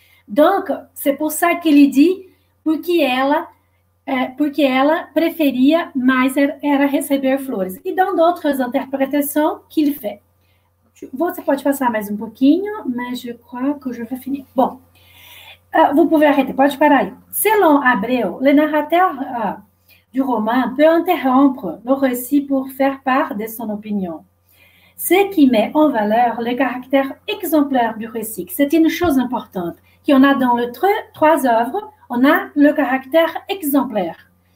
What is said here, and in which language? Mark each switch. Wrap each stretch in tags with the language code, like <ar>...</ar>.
<fr>Donc, c'est pour ça qu'il dit</fr> <pt>porque ela preferia mais era receber flores.</pt> <fr>E dans d'autres interprétations qu'il fait.</fr> <pt>Você pode passar mais um pouquinho, mas</pt> <fr>je crois que je vais finir. Bom, vous pouvez arrêter,</fr> <pt>pode parar aí.</pt> <fr>Selon Abreu, le narrateur du roman peut interrompre le récit pour faire part de son opinion. Ce qui met en valeur le caractère exemplaire du récit, c'est une chose importante, qu'on a dans les trois œuvres, on a le caractère exemplaire.</fr>